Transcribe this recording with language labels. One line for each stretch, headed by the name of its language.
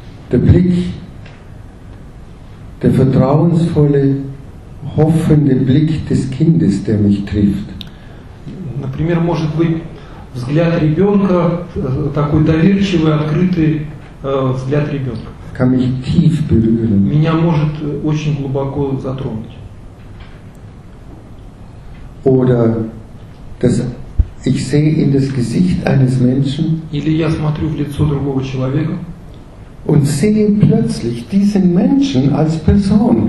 German: Der Blick, der vertrauensvolle, hoffende Blick des Kindes, der mich trifft.
Russian: Например, может быть взгляд ребенка, такой доверчивый, открытый взгляд ребенка.
German: Kann mich tief berühren.
Russian: Меня может очень глубоко затронуть.
German: Oder dass ich sehe in das Gesicht eines Menschen.
Russian: Или я смотрю в лицо другого человека.
German: Und sehe plötzlich diesen Menschen als Person